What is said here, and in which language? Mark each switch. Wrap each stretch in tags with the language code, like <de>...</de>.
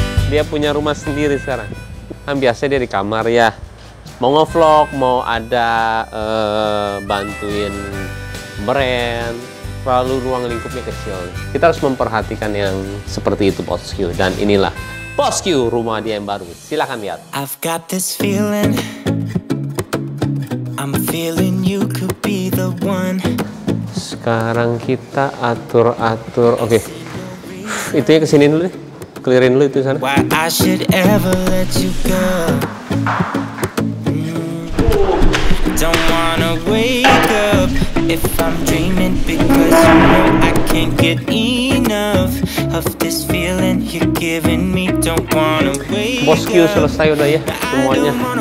<id>Dia punya rumah sendiri sekarang. Kan biasanya dia di kamar ya. Mau nge-vlog, mau ada bantuin brand. Lalu ruang lingkupnya kecil. Kita harus memperhatikan yang seperti itu, Bos Q. Dan inilah Bos Q, rumah dia yang baru. Silakan lihat.</id> <en>I've got this feeling, I'm feeling you could be the one.</en> <id>Sekarang kita atur-atur. Oke. Okay. Itunya kesini dulu deh. Clearin dulu itu sana.</id> <en>Why I should ever let you go. Don't wanna wake up if I'm dreaming, because you know I can't get enough of this feeling you're giving me. Don't wanna wake up.</en> <id>Bos Q selesai udah ya semuanya.</id>